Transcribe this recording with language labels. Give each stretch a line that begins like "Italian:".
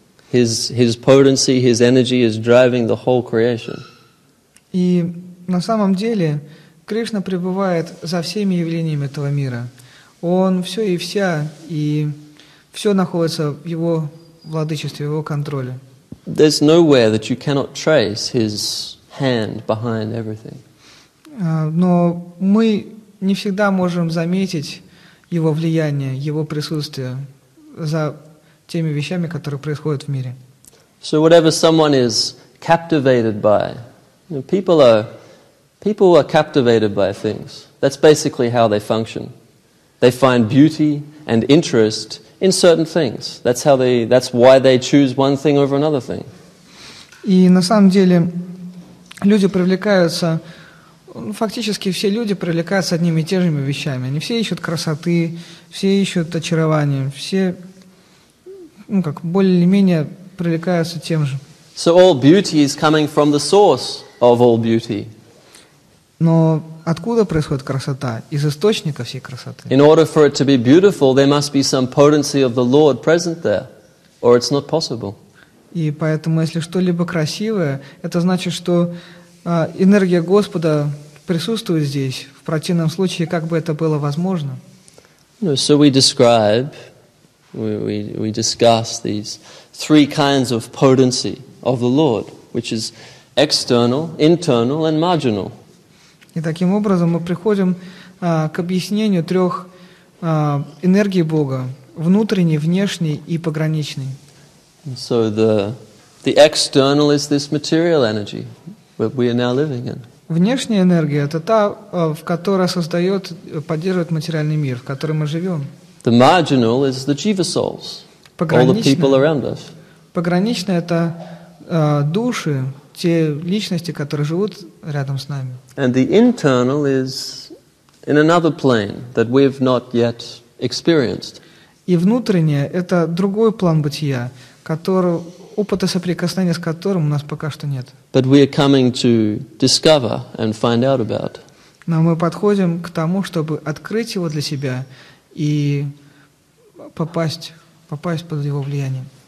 English: His potency, his energy is driving the whole creation.
Russian: И на самом деле Кришна пребывает за всеми явлениями этого мира. Он все и вся, и все находится в его владычестве, в его контроле.
English: There's nowhere that you cannot trace his hand behind everything.
Russian: Но мы не всегда можем заметить его влияние, его присутствие за теми вещами, которые происходят в мире.
English: So whatever someone is captivated by, people are captivated by things. That's basically how they function. They find beauty and interest in certain things. That's why they choose one thing over another thing.
Russian: И на самом деле люди привлекаются. Фактически все люди привлекаются одними и теми же вещами. Они все ищут красоты, все ищут очарования, все, ну как, более или менее привлекаются тем же.
English: So all beauty is coming from the source of all beauty.
Russian: Но откуда происходит красота? Из источника всей красоты.
English: In order for it to be beautiful, there must be some potency of the Lord present there, or it's not possible.
Russian: И поэтому, если что-либо красивое, это значит, что энергия Господа присутствует здесь. В противном случае, как бы это было возможно?
English: So we describe We discuss these three kinds of potency of the Lord, which is external, internal, and marginal.
Russian: И таким образом мы приходим к объяснению трех энергий Бога: внутренней, внешней и пограничной.
English: So the external is this material energy that we are now living in.
Russian: Внешняя энергия — это та, в которой создает, поддерживает материальный мир, в котором мы живем.
English: The marginal is the jiva souls, all the people around us.
Russian: Пограничная — это души, те личности, которые живут рядом с нами.
English: And the internal is in another plane that we've not yet experienced.
Russian: И внутреннее — это другой план бытия, которого, опыта соприкосновения с которым у нас пока что нет.
English: But we are coming to discover and find out about.
Russian: Но мы подходим к тому, чтобы открыть его для себя и попасть под его влияние.